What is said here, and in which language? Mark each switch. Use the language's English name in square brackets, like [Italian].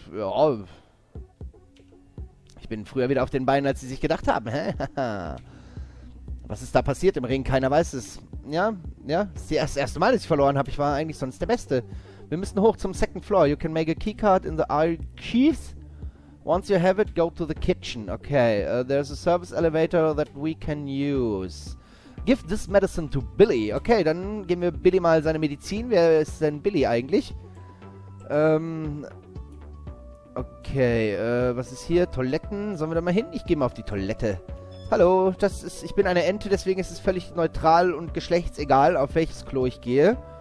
[German] Ja, ich bin früher wieder auf den Beinen, als Sie sich gedacht haben. Hä? Was ist da passiert im Ring? Keiner weiß es. Ja, das ist das erste Mal, dass ich verloren habe. Ich war eigentlich sonst der Beste. Wir müssen hoch zum Second Floor. [English] You can make a keycard in the archives. Once you have it, go to the kitchen. Okay, there's a service elevator that we can use. Give this medicine to Billy. [German] Okay, dann geben wir Billy mal seine Medizin. Wer ist denn Billy eigentlich? Okay, was ist hier? Toiletten? Sollen wir da mal hin? Ich gehe mal auf die Toilette. Hallo, ich bin eine Ente, deswegen ist es völlig neutral und geschlechtsegal, auf welches Klo ich gehe.